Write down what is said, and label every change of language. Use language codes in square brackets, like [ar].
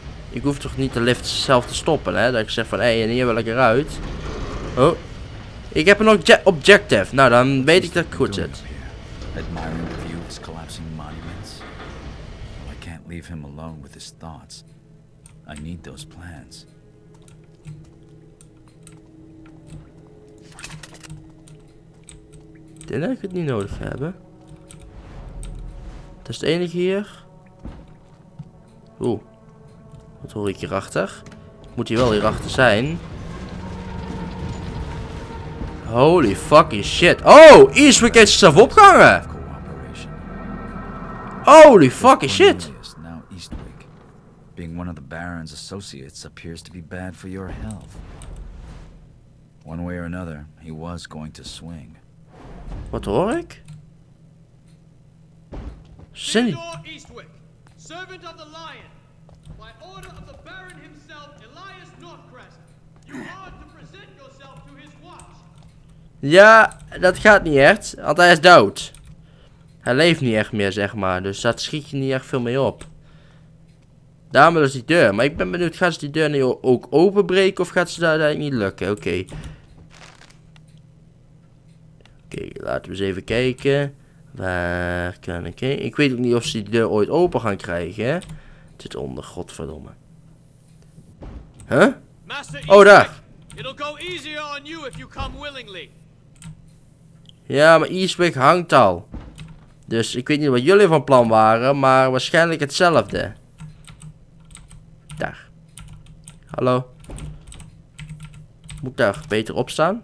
[nl] Ik hoef toch niet de lift zelf te stoppen, hè. Dat ik zeg van, hé, hier wil ik eruit. Oh, ik heb een objective. Nou, dan weet ik dat ik goed zit. [en] Admiring the view of his collapsing monuments. Well, I can't leave him alone with his thoughts. I need those plans. [nl] Ik denk dat ik het niet nodig heb. Dat is het enige hier. Oeh, wat hoor ik hierachter? Moet hier wel hierachter zijn. [en] Holy fucking shit. [nl] Oh, Ian Smith heeft zichzelf opgehangen. [en] Holy fucking shit. Now Eastwick. Being one of the Baron's associates appears to be bad for your health. One way or another, he was going to swing. [nl] Wat hoor ik? [en] Signor Eastwick, servant of the Lion. By order of the Baron himself, Elias Northcrest. You are to present yourself to his watch. [nl] Ja, dat gaat niet echt, want hij is dood. Hij leeft niet echt meer, zeg maar. Dus dat schiet je niet echt veel mee op. Daarom is die deur. Maar ik ben benieuwd, gaat ze die deur nu ook openbreken of gaat ze daar niet lukken? Oké. Oké, laten we eens even kijken. Waar kan ik heen? Ik weet ook niet of ze die deur ooit open gaan krijgen. Het zit onder, godverdomme. Huh? Oh, daar. [en] It'll go easier on you if you come willingly. [nl] Ja, maar Eastwick hangt al. Dus ik weet niet wat jullie van plan waren, maar waarschijnlijk hetzelfde. Daar. Hallo. Moet ik daar beter op staan?